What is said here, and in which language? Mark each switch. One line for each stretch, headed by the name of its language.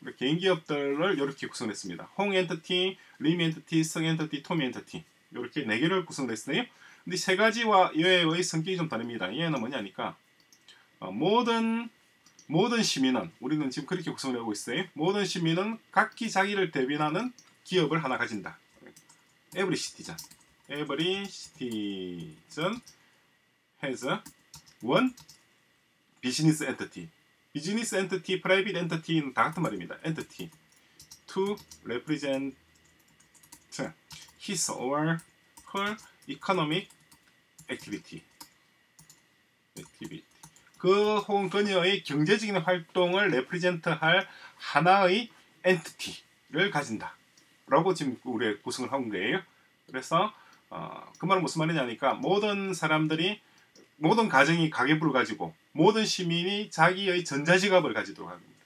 Korean: 개인 기업들을 이렇게 구성했습니다. 홍 엔티티, 림 엔티티, 성 엔티티, 톰 엔티티 이렇게 네 개를 구성했어요. 근데 세 가지와 얘의 성격이 좀 다릅니다. 얘는 뭐냐니까 모든 시민은, 우리는 지금 그렇게 구성을 하고 있어요. 모든 시민은 각기 자기를 대변하는 기업을 하나 가진다.
English: Every citizen. Every citizen has one business entity. Business entity, private entity
Korean: 는 다 같은 말입니다.
English: Entity to represent his or her economic activity.
Korean: 그 혹은 그녀의 경제적인 활동을 represent할 하나의 entity를 가진다 라고 지금 우리의 구성을 한 거예요. 그래서 그 말은 무슨 말이냐니까 모든 사람들이, 모든 가정이 가계부를 가지고 모든 시민이 자기의 전자지갑을 가지도록 합니다.